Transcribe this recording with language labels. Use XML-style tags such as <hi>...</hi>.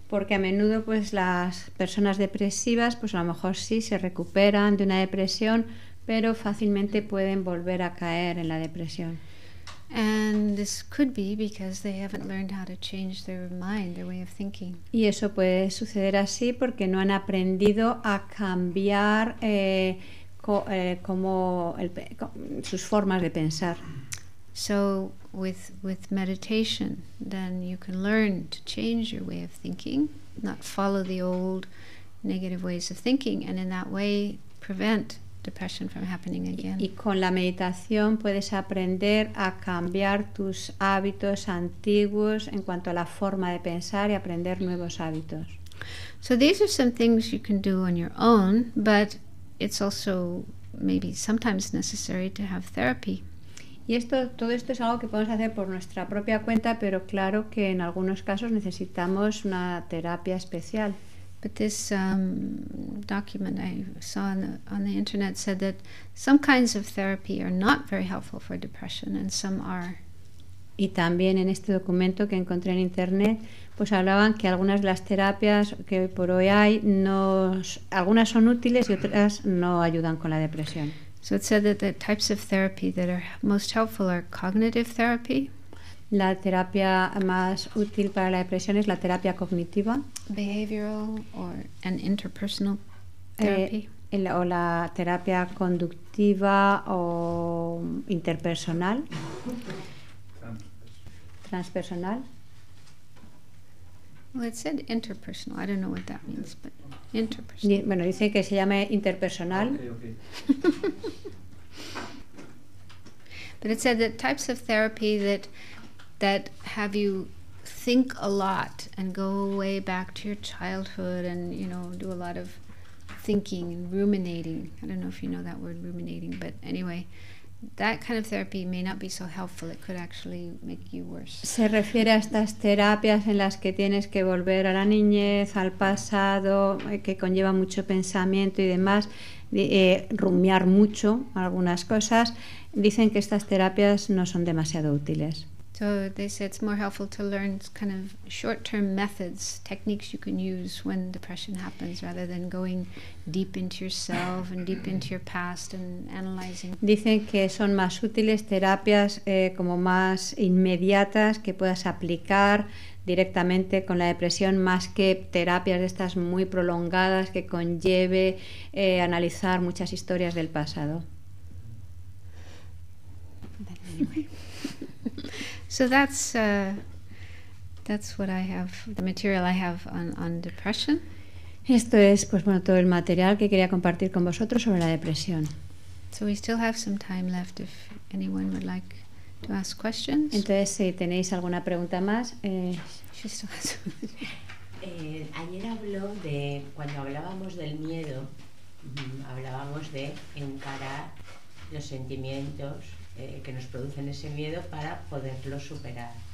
<es>Porque a menudo pues las personas depresivas pues a lo mejor sí se recuperan de una depresión, pero fácilmente pueden volver a caer en la depresión.</es> <en>And this could be because they haven't learned how to change their mind, their way of thinking.</en> <es>Y eso puede suceder así porque no han aprendido a cambiar sus formas de pensar.</es> <en>So with meditation, then you can learn to change your way of thinking, not follow the old negative ways of thinking, and in that way prevent depression from happening again.</en> <es>Y con la meditación puedes aprender a cambiar tus hábitos antiguos en cuanto a la forma de pensar y aprender nuevos hábitos.</es> <en>So these are some things you can do on your own, but it's also maybe sometimes necessary to have therapy.</en> <es>Y esto, todo esto es algo que podemos hacer por nuestra propia cuenta, pero claro que en algunos casos necesitamos una terapia especial.</es> <en>But this document I saw on the internet said that some kinds of therapy are not very helpful for depression and some are.</en> <es>Y también en este documento que encontré en internet, pues hablaban que algunas de las terapias que hoy por hoy hay, algunas son útiles y otras no ayudan con la depresión.</es> <en>So it said that the types of therapy that are most helpful are cognitive therapy.</en> <es>La terapia más útil para la depresión es la terapia cognitiva.</es> <en>Behavioral or an interpersonal therapy.</en> <es>O la terapia conductiva o interpersonal.</es> <en>Transpersonal. Well, it said interpersonal. I don't know what that means, but interpersonal.</en> <es>Bueno, dice que se llame interpersonal.</es> <en>Okay. But it said that types of therapy that have you think a lot and go way back to your childhood and, you know, do a lot of thinking and ruminating. I don't know if you know that word, ruminating, but anyway, that kind of therapy may not be so helpful. It could actually make you worse.</en> <es>Se refiere a estas terapias en las que tienes que volver a la niñez, al pasado, que conlleva mucho pensamiento y demás, rumiar mucho algunas cosas. Dicen que estas terapias no son demasiado útiles.</es> <en>So they say it's more helpful to learn kind of short-term methods, techniques you can use when depression happens, rather than going deep into yourself and deep into your past and analyzing.</en> <es>Dicen que son más útiles terapias como más inmediatas que puedas aplicar directamente con la depresión, más que terapias de estas muy prolongadas que conlleve analizar muchas historias del pasado.</es> <en>So that's what I have, the material I have on depression.</en> <es>Esto es, pues bueno, todo el material que quería compartir con vosotros sobre la depresión.</es> <en>So we still have some time left if anyone would like to ask questions.</en> <es>Entonces, si tenéis alguna pregunta más,</es> <en>she still has some.</en> <es>Ayer habló de, cuando hablábamos del miedo, hablábamos de encarar los sentimientos que nos producen ese miedo para poderlo superar.</es>